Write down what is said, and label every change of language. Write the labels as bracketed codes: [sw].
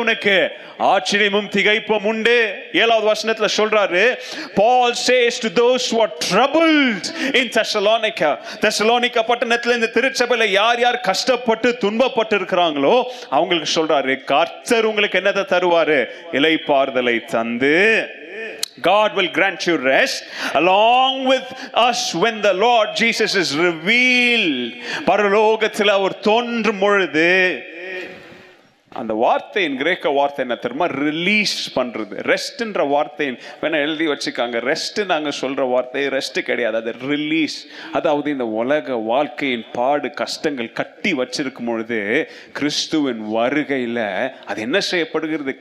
[ta] உனக்கு ஆச்சரியமும் திகைப்பும் உண்டு. ஏழாவது வசனத்துல சொல்றாரு, [en] Paul says to those who are troubled in Thessalonica. [ta] Thessalonica பட்டணத்துல இந்த திருச்சபையில யார் யார் கஷ்டப்பட்டு துன்பப்பட்டு இருக்கிறாங்களோ அவங்களுக்கு சொல்றாரு, கர்த்தர் உங்களுக்கு என்னத தருவாரு? இளைப்பாறுதலை தந்து. [en] God will grant you rest along with us when the Lord Jesus is revealed. [ta] பரலோகத்துல அவர் தோன்றும் பொழுது அந்த வார்த்தையின் கிரேக்க வார்த்தை என்ன தெரியுமா? ரிலீஸ் பண்றது. ரெஸ்ட்ன்ற வார்த்தையின் வேணா எழுதி வச்சுக்காங்க, ரெஸ்ட் நாங்கள் சொல்ற வார்த்தை ரெஸ்ட் கிடையாது, அது ரிலீஸ். அதாவது இந்த உலக வாழ்க்கையின் பாடு கஷ்டங்கள் கட்டி வச்சிருக்கும் பொழுது கிறிஸ்துவின் வருகையில அது என்ன செய்யப்படுகிறது?